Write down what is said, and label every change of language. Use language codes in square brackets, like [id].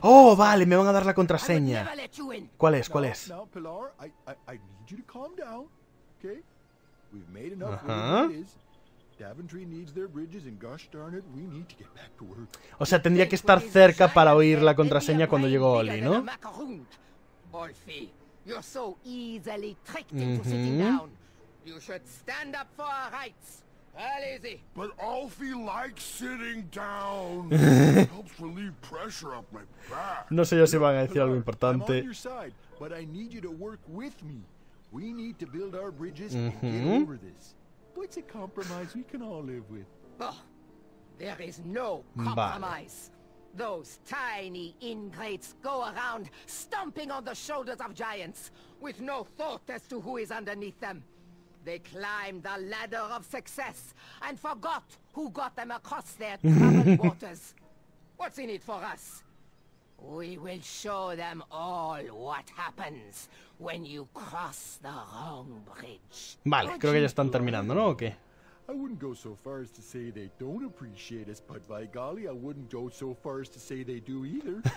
[es] oh, vale, me van a dar la contraseña. ¿Cuál es? ¿Cuál es? [en] Now, Pilar, I need you to calm down, okay? We've made enough money. Daventry needs their bridges, and gosh darn it, we need to get back to work. [es] O sea, tendría que estar cerca para oír la contraseña cuando llegó Oli, ¿no? [en] Olfie, you're so easily tricked into sitting down. You should stand up for our rights. But Alfie likes sitting down. Helps relieve pressure off my back. [es] No sé yo si van a decir algo importante. [en] I'm on your side, but I need you to work with me. We need to build our bridges and get over this. What's a compromise we can all live with? Oh, there is no compromise. Vale. Those tiny ingrates go around stomping on the shoulders of giants, with no thought as to who is underneath them. They climbed the ladder of success and forgot who got them across their troubled waters. What's in it for us? We will show them all what happens when you cross the wrong bridge. [es] Vale, creo que ya están terminando, ¿no? ¿O qué? [en] I wouldn't go so far as to say they don't appreciate us, but by golly, I wouldn't go so far as to say they do either.